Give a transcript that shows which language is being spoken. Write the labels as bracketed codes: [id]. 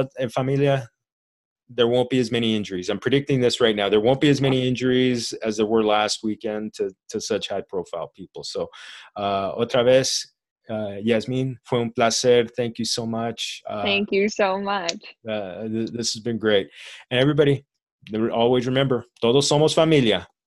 [en] Familia, there won't be as many injuries. I'm predicting this right now. There won't be as many injuries as there were last weekend to such high-profile people. [es] So, otra vez, Yasmin, fue un placer. [en] Thank you so much. Thank you so much. This has been great. And everybody, always remember, [es] todos somos familia.